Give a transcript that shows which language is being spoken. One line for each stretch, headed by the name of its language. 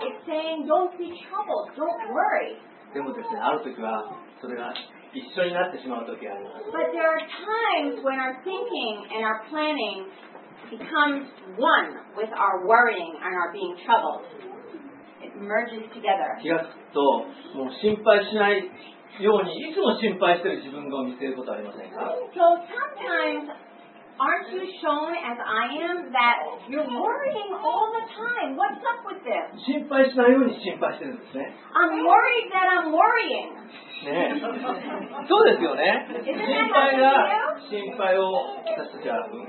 English: It's saying don't be troubled, don't worry.
Japanese: でもですね、ある時はそれが一緒になってしまう時があります。
English: But there are times when our thinking and our planning becomes one with our worrying and our being troubled. It merges together.
Japanese: 気がつくと、もう心配しないようにいつも心配している自分を見せることはありませんか?
English: So sometimes, aren't you shown as I am that you're worrying all the time? What's up with this?
Japanese: 心配しないように心配しているんですね。
English: I'm worried that I'm worrying.
Japanese: ねえ、そうですよね。心配が心配を私たちは